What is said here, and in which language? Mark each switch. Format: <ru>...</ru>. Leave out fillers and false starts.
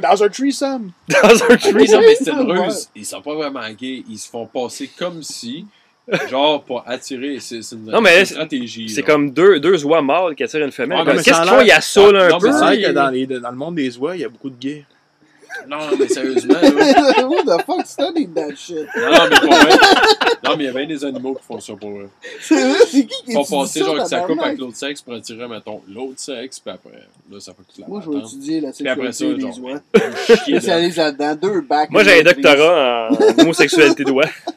<fr>Dans un threesome. Dans un threesome. Mais c'est heureux. Ils sont pas vraiment gays. Ils se font passer comme si. Genre pour attirer. C'est une stratégie. C'est comme deux oies mâles qui attirent une femelle. Qu'est-ce qu'ils font? Il y a ça là un peu. C'est vrai que dans le monde des oies, il y a beaucoup de gays. Non, mais sérieusement, là.</fr> <en>Who the fuck studied that shit?</en> <fr>Non, mais il y a bien des animaux qui font ça pour eux. C'est qui font passer genre que ça coupe avec l'autre sexe pour attirer, mettons, l'autre sexe, puis après, là, ça fait toute la matinée. Moi, je vais étudier la sexualité des oies. Puis après ça, genre, là-dedans, deux bacs. Moi, j'ai un doctorat en homosexualité d'oies.</fr>